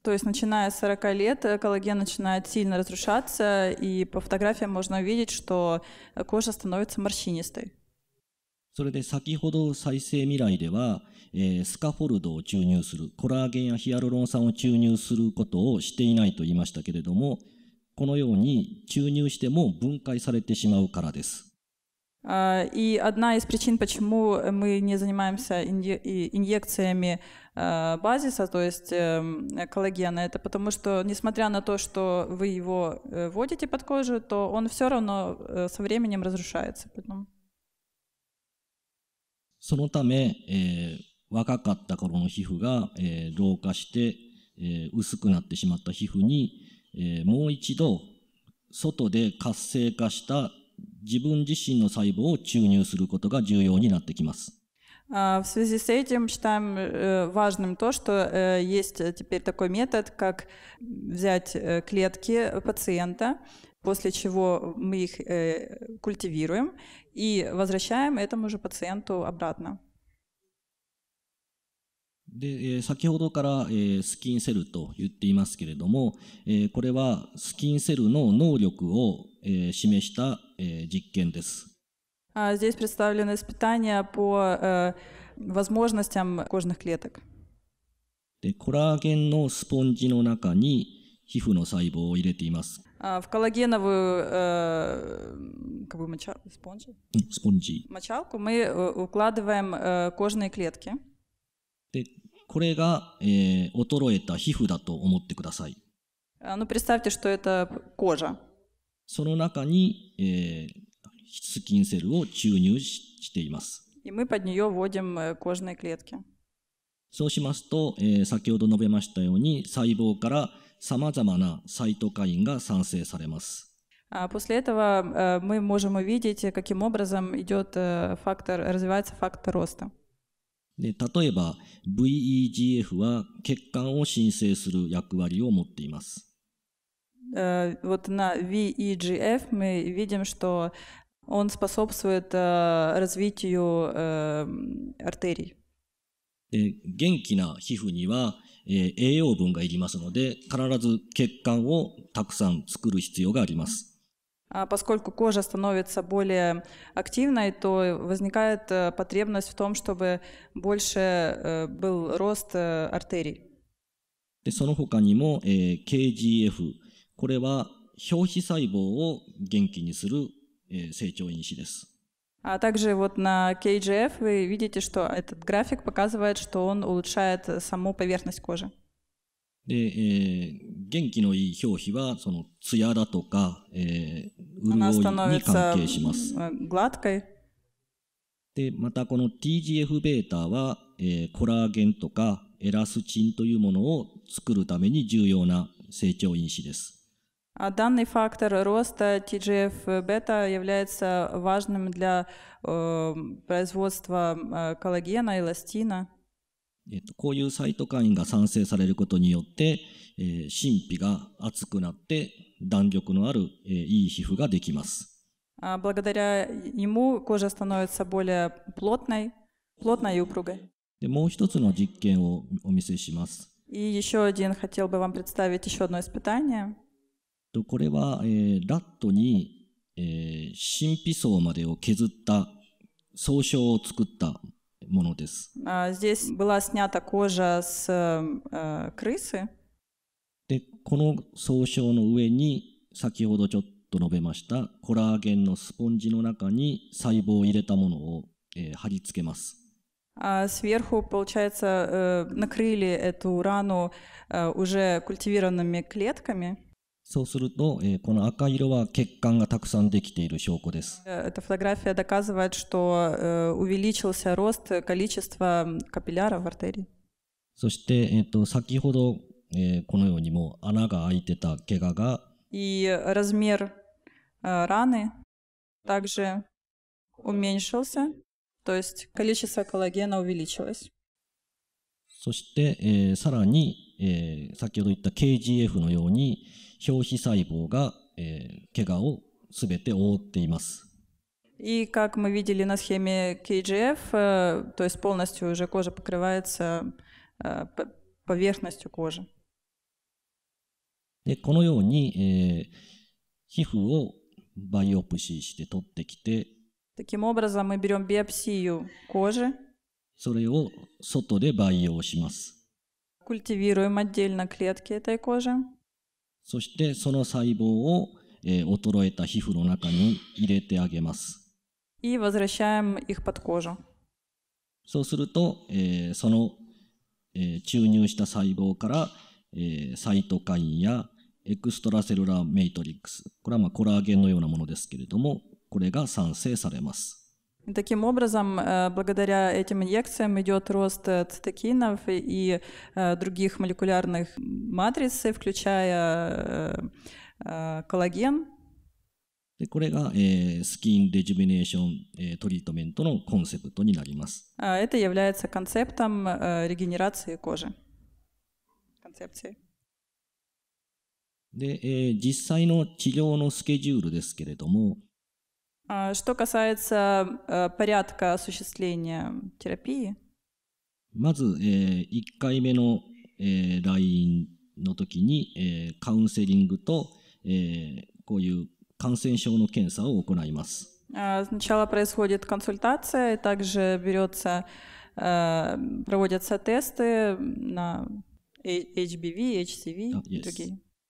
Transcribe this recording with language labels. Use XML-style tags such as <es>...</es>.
<ru>То есть, начиная с 40 лет, коллаген начинает сильно разрушаться, и по фотографиям можно видеть, что кожа становится морщинистой.</ru> <ja>それで先ほど再生未来では、スカフォルドを注入する、コラーゲンやヒアルロン酸を注入することをしていないと言いましたけれども、このように注入しても分解されてしまうからです。</ja> <ru>И одна из причин, почему мы не занимаемся инъекциями базиса, то есть коллагена, это потому что, несмотря на то, что вы его вводите под кожу, то он все равно со временем разрушается.</ru> <ja>そのため、若かった頃の皮膚が、老化して、薄くなってしまった皮膚に、もう一度外で活性化した自分自身の細胞を注入することが重要になってきます。</ja> <ru>В связи с этим считаем важным то, что есть теперь такой метод, как взять клетки пациента, после чего мы их культивируем и возвращаем этому же пациенту обратно.</ru> <ja>で、先ほどから、スキンセルと言っていますけれども、これはスキンセルの能力を、示した、実験です。</ja> <ru>Здесь представлены испытания по возможностям кожных клеток.</ru> <ja>で、コラーゲンのスポンジの中に皮膚の細胞を入れています。</ja> <ru>В коллагеновую спонжи, мочалку мы укладываем кожные клетки.</ru> <ja>で、これが、衰えた皮膚だと思ってください。</ja> <ru>Представьте, что это кожа.</ru> <ja>その中に、スキンセルを注入しています。</ja> <ru>И мы под нее вводим кожные клетки.</ru> <ja>そうしますと、先ほど述べましたように細胞からさまざまなサイトカインが産生されます。</ja> <ru>После этого мы можем увидеть, каким образом идет фактор, развивается фактор роста.</ru> <ja>で、例えば VEGF は血管を新生する役割を持っています。</ja> <ru>Вот на VEGF мы видим, что он способствует развитию артерий.</ru> <ja>で、元気な皮膚には栄養分がいりますので、必ず血管をたくさん作る必要があります。</ja> <ru>Поскольку кожа становится более активной, то возникает потребность в том, чтобы больше был рост артерий.</ru> <ja>で、その他にも、KGF、これは表皮細胞を元気にする、成長因子です。</ja> <ru>А также вот на KGF вы видите, что этот график показывает, что он улучшает саму поверхность кожи.</ru> <ja>で、元気のいい表皮はそのツヤだとか、潤いに関係します。で、またこの TGF-β は、コラーゲンとかエラスチンというものを作るために重要な成長因子です。</ja> <ru>данный фактор роста TGF-β является важным для производства коллагена и эластина。</ru> <ja>こういうサイトカインが産生されることによって、神秘が厚くなって弾力のある、いい皮膚ができます。</ja> <ru>благодаря ему кожа становится более плотной, плотной и упругой.</ru> <ja>で、もう一つの実験をお見せします。</ja> <ru>И еще один хотел бы вам представить еще одно испытание.</ru> <ja>これは、ラットに、神秘層までを削った総称を作ったものです。</ja> <ru>Здесь была снята кожа с крысы.</ru> <ja>で、この総称の上に先ほどちょっと述べましたコラーゲンのスポンジの中に細胞を入れたものを、貼り付けます。</ja> <ru>Сверху, получается, накрыли эту рану уже культивированными клетками.</ru> <ja>そうすると、この赤色は血管がたくさんできている証拠です。</ja> <ru>Эта фотография доказывает, что увеличился рост количества капилляров в артерии.</ru> <ja>そして、先ほど、このようにも穴が開いてた怪我が</ja> <ru>И размер раны также уменьшился, то есть количество коллагена увеличилось.</ru> <ja>そして、さらに、先ほど言った KGF のように表皮細胞が、怪我をすべて覆っています。</ja> <ru>И как мы видели на схеме KGF, то есть полностью уже кожа покрывается поверхностью кожи.</ru> <ja>で、このように、皮膚をバイオプシーして取ってきて、</ja> <ru>Таким образом мы берем биопсию кожи.</ru> <ja>それを外で培養します。</ja> <ru>Культивируем отдельно клетки этой кожи.</ru> <ja>そしてその細胞を、衰えた皮膚の中に入れてあげます。</ja> <ru>И возвращаем их под кожу.</ru> <ja>そうすると、その、注入した細胞から、サイトカインやエクストラセルラーメイトリックス、これはまあコラーゲンのようなものですけれども、これが産生されます。</ja> <ru>Таким образом, благодаря этим инъекциям идет рост цитокинов и других молекулярных матриц, включая коллаген.</ru> <ja>で、これが、</ja> <en>skin rejuvenation treatment</en> <ja>のコンセプトになります。</ja> <ru>Это является концептом регенерации кожи. Концепции.</ru> <ja>で、実際の治療のスケジュールですけれども、</ja> <ru>Что касается порядка осуществления терапии?</ru> <ja>まず、1回目の、来院の時に、カウンセリングと、こういう感染症の検査を行います。</ja> <ru>Сначала происходит консультация, также берется, проводятся тесты на HBV, HCV и другие.</ru>